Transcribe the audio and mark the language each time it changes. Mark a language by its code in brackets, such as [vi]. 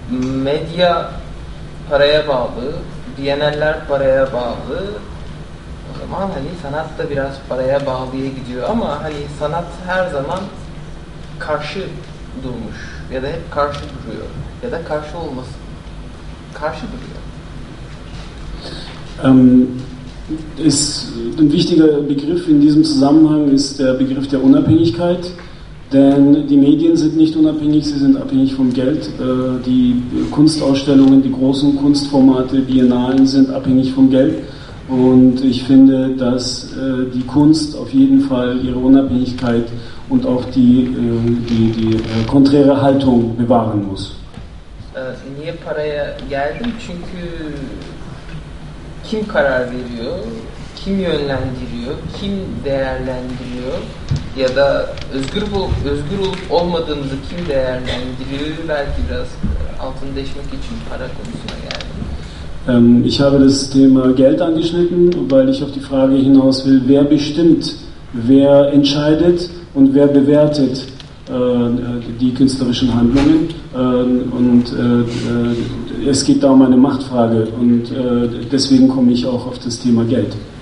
[tr] Medya paraya bağlı, BNL'ler paraya bağlı. O zaman hani sanat da biraz paraya bağlıya gidiyor ama hani sanat her zaman karşı durmuş ya da hep karşı duruyor ya da karşı olmasın. Karşı duruyor. [de] Ein wichtiger Begriff in diesem Zusammenhang ist der Begriff der Unabhängigkeit. Denn die Medien sind nicht unabhängig, sie sind abhängig vom Geld. Die Kunstausstellungen, die großen Kunstformate, Biennalen sind abhängig vom Geld. Und ich finde, dass die Kunst auf jeden Fall ihre Unabhängigkeit und auch die konträre Haltung bewahren muss. [tr] Niye paraya geldim? Çünkü kim karar veriyor, kim yönlendiriyor, kim değerlendiriyor? Ya da özgür olup olmadığınızı kim değerlendiriyor? Belki biraz altını deşmek için para konusuna geldim. [de] Ich habe das Thema Geld angeschnitten, weil ich auf die Frage hinaus will, wer bestimmt, wer entscheidet und wer bewertet die künstlerischen Handlungen. Und es geht da um eine Machtfrage und deswegen komme ich auch auf das Thema Geld.